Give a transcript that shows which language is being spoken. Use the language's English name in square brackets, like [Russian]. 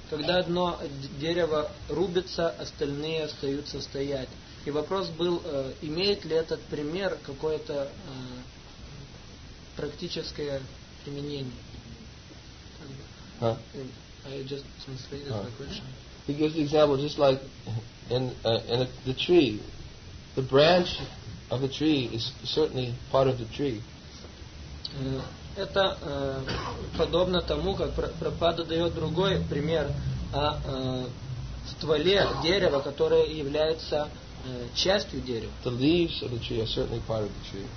[Russian] Когда одно дерево рубится, остальные остаются стоять. И вопрос был, имеет ли этот пример какое-то практическое применение. Huh? [English] I just translated my question. He gives the example just like in a, the tree. The branch of a tree is certainly part of the tree. [Russian] Это подобно тому, как Прабхупада дает другой пример о стволе дерева, которое является частью дерева. [English] The leaves of the tree are certainly part of the tree.